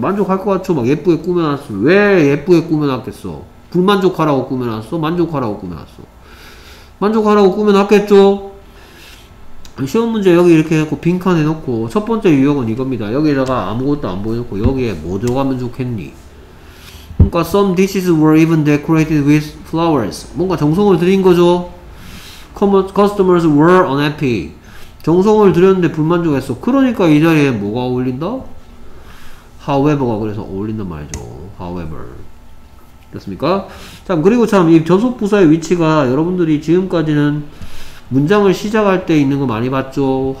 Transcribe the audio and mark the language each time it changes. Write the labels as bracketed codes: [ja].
[ko] 만족할 것 같죠? 막 예쁘게 꾸며놨어. 왜 예쁘게 꾸며놨겠어? 불만족하라고 꾸며놨어? 만족하라고 꾸며놨어? 만족하라고 꾸며놨겠죠? 시험 문제 여기 이렇게 해놓고 빈칸 해놓고 첫 번째 유형은 이겁니다. 여기에다가 아무것도 안 보여놓고 여기에 뭐 들어가면 좋겠니? 그러니까 [en] some dishes were even decorated with flowers. [ko] 뭔가 정성을 들인 거죠? [en] Customers were unhappy. [ko] 정성을 들였는데 불만족했어. 그러니까 이 자리에 뭐가 어울린다? however가 그래서 어울린단 말이죠. however. 됐습니까? 참, 그리고 참, 이 접속부사의 위치가 여러분들이 지금까지는 문장을 시작할 때 있는 거 많이 봤죠.